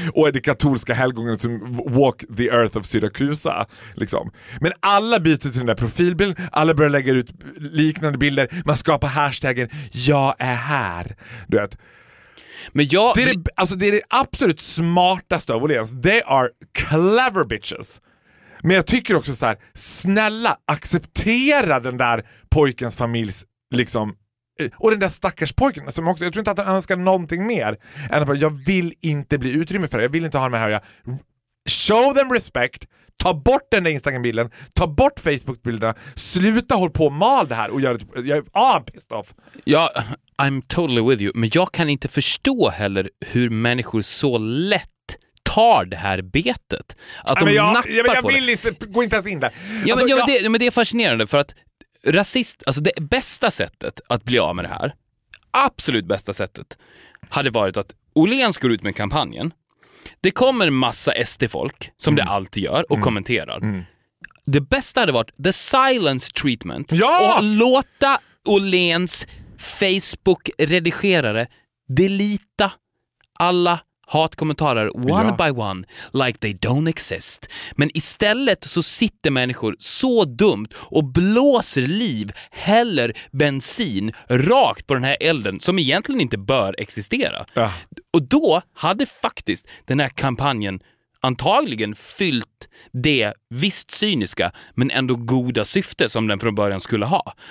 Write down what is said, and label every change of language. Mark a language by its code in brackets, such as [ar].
[sv] Och är det katolska helgonen som [en] walk the earth of Syracusa. [sv] Liksom. Men alla byter till den där profilbilden. Alla börjar lägga ut liknande bilder. Man skapar hashtaggen jag är här. Du vet. Men jag, det är det absolut smartaste av Åhléns. [en] They are clever bitches. [sv] Men jag tycker också så här, snälla, acceptera den där pojkens familjs, liksom, och den där stackars pojken som också, jag tror inte att han önskar någonting mer än att jag vill inte bli utrymme för det. Jag vill inte ha med här. Jag, [en] show them respect, [sv] ta bort den där Instagram-bilden, ta bort Facebook-bilderna, sluta håll på och mal det här och gör det, [en] I'm pissed off. [sv] Ja, [en] I'm totally with you, [sv] men jag kan inte förstå heller hur människor så lätt har det här betet. Att de nappar på det. Jag vill inte, gå inte ens in där. Ja, men, alltså, ja, men det är fascinerande för att rasist, alltså det bästa sättet att bli av med det här, absolut bästa sättet, hade varit att Åhléns går ut med kampanjen. Det kommer massa SD-folk som det alltid gör och kommenterar. Det bästa hade varit [en] the silence treatment. [sv] Ja! Och låta Åhléns Facebook-redigerare delita alla [en] hatkommentarer one by one, like they don't exist. [sv] Men istället så sitter människor så dumt och blåser liv, häller bensin rakt på den här elden som egentligen inte bör existera. Och då hade faktiskt den här kampanjen antagligen fyllt det visst cyniska men ändå goda syfte som den från början skulle ha.